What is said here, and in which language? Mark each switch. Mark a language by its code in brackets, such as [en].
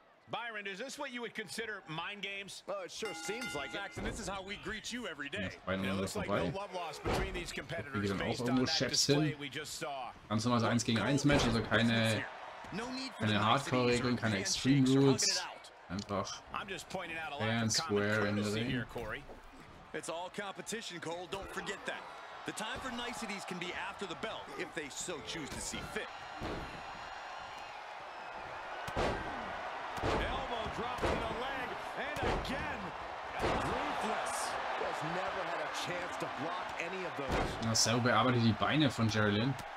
[en] Byron, is this what you would consider mind games? Oh, it sure seems like it. And this is how we greet you every day. It looks like no love lost between these competitors based on that display we just saw. [de] Ganz normal, so 1 gegen 1 Match, also keine Hardcore-Regeln, keine Extreme Rules. [en] Einfach fair and square in the ring. It's all competition, Cole, don't forget that. The time for niceties can be after the bell, if they so choose to see fit. Elbow drop to the leg, and again, ruthless. Has never had a chance to block any of those. [de] Na, Sal bearbeitet die Beine von Jerry Lynn.